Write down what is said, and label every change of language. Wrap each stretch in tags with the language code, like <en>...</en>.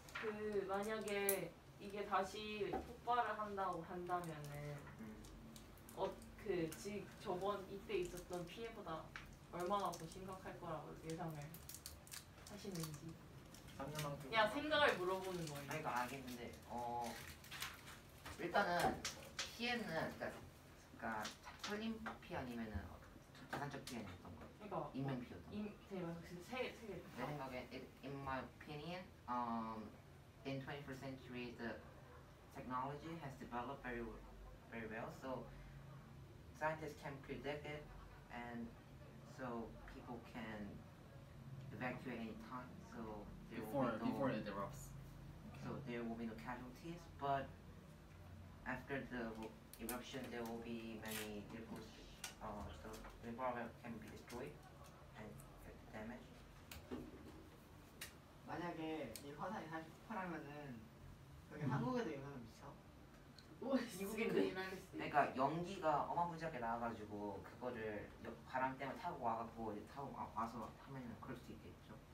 <ko>그 만약에 이게 다시 폭발을 한다고 한다면은 그 즉 저번 이때 있었던 피해보다 얼마나 더 심각할 거라고 예상을 하시는지. 그냥 생각을 물어보는 거예요. 아 이거 알겠는데 일단은 피해는 그러니까 철림 피 아니면은 자산적 피해는 어떤 거? 그러니까 인명 피해도. 세 개. 내 생각에</ko> <en>in my opinion, in 21st century the technology has developed very well, so scientists can predict it, and so people can evacuate any time. So there before it erupts. So there will be no casualties, but after the eruption, there will be many debris. So the environment can be destroyed and get the damage.</en> <ko>만약에 이 화산이 다시 폭발하면은 여기 그러니까 연기가 어마무지하게 나와가지고 그거를 바람 때문에 타고 와갖고 타고 와서 하면은 그럴 수 있겠죠.</ko>